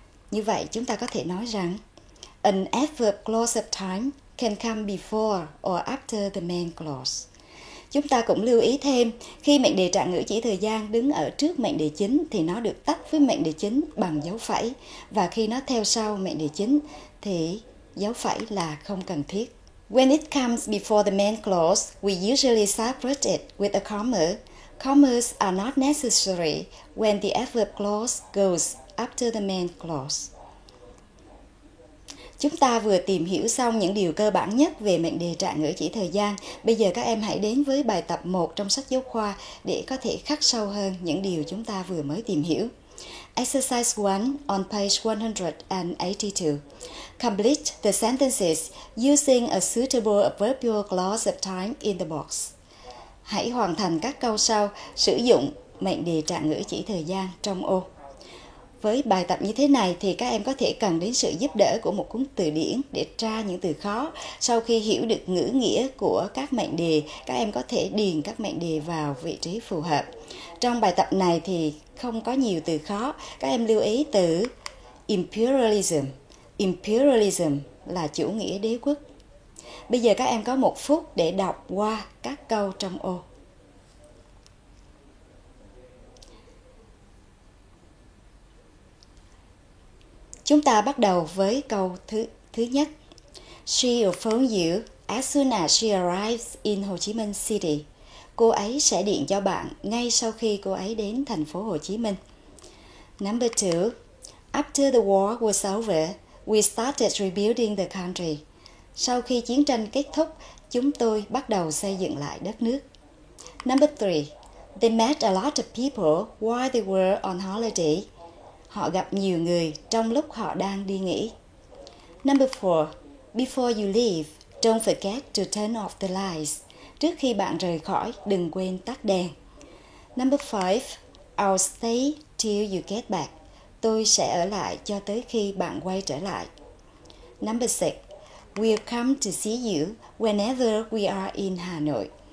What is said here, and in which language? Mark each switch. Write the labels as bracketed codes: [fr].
[vi] Như vậy, chúng ta có thể nói rằng [en] an adverb clause of time can come before or after the main clause. [vi] Chúng ta cũng lưu ý thêm, khi mệnh đề trạng ngữ chỉ thời gian đứng ở trước mệnh đề chính thì nó được tắt với mệnh đề chính bằng dấu phẩy, và khi nó theo sau mệnh đề chính thì dấu phẩy là không cần thiết. [en] When it comes before the main clause, we usually separate it with a comma. Commas are not necessary when the adverb clause goes after the main clause. [vi] Chúng ta vừa tìm hiểu xong những điều cơ bản nhất về mệnh đề trạng ngữ chỉ thời gian. Bây giờ các em hãy đến với bài tập 1 trong sách giáo khoa để có thể khắc sâu hơn những điều chúng ta vừa mới tìm hiểu. [en] Exercise 1 on page 182. Complete the sentences using a suitable adverbial clause of time in the box. [vi] Hãy hoàn thành các câu sau sử dụng mệnh đề trạng ngữ chỉ thời gian trong ô. Với bài tập như thế này thì các em có thể cần đến sự giúp đỡ của một cuốn từ điển để tra những từ khó. Sau khi hiểu được ngữ nghĩa của các mệnh đề, các em có thể điền các mệnh đề vào vị trí phù hợp. Trong bài tập này thì không có nhiều từ khó. Các em lưu ý từ imperialism. Imperialism là chủ nghĩa đế quốc. Bây giờ các em có một phút để đọc qua các câu trong ô. Chúng ta bắt đầu với câu thứ nhất. [en] She will phone you as soon as she arrives in Ho Chi Minh City. [vi] Cô ấy sẽ điện cho bạn ngay sau khi cô ấy đến thành phố Hồ Chí Minh. [en] Number two. After the war was over, we started rebuilding the country. [vi] Sau khi chiến tranh kết thúc, chúng tôi bắt đầu xây dựng lại đất nước. [en] Number three. They met a lot of people while they were on holiday. [vi] Họ gặp nhiều người trong lúc họ đang đi nghỉ. [en] Number four. Before you leave, don't forget to turn off the lights. [vi] Trước khi bạn rời khỏi, đừng quên tắt đèn. [en] Number five. I'll stay till you get back. [vi] Tôi sẽ ở lại cho tới khi bạn quay trở lại. [en] Number six. We'll come to see you whenever we are in Hà Nội.